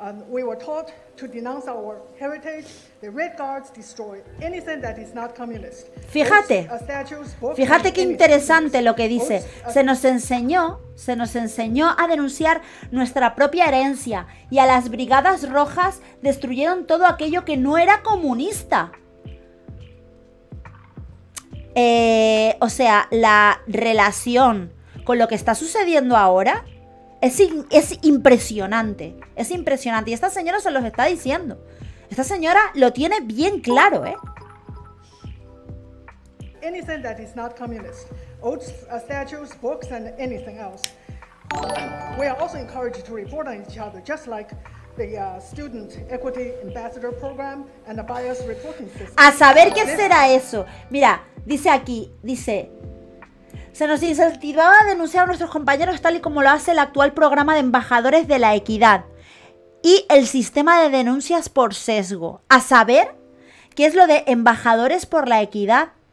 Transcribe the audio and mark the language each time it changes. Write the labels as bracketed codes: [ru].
[en] We were taught to denounce our heritage. The Red Guards destroy anything that is not communist. [es] Fíjate qué interesante lo que dice. Se nos enseñó a denunciar nuestra propia herencia y a las Brigadas Rojas destruyeron todo aquello que no era comunista. O sea, la relación con lo que está sucediendo ahora. Es impresionante. Y esta señora se los está diciendo. Esta señora lo tiene bien claro, ¿eh? [en] Anything that is not communist. Oats, statues, books and anything else. We are also encouraged to report on each other, just like the Student Equity Ambassador Program and the Bias Reporting System. [es] A saber qué será eso. Mira, dice aquí, dice... Se nos incentivaba a denunciar a nuestros compañeros tal y como lo hace el actual programa de embajadores de la equidad y el sistema de denuncias por sesgo. A saber, ¿qué es lo de embajadores por la equidad?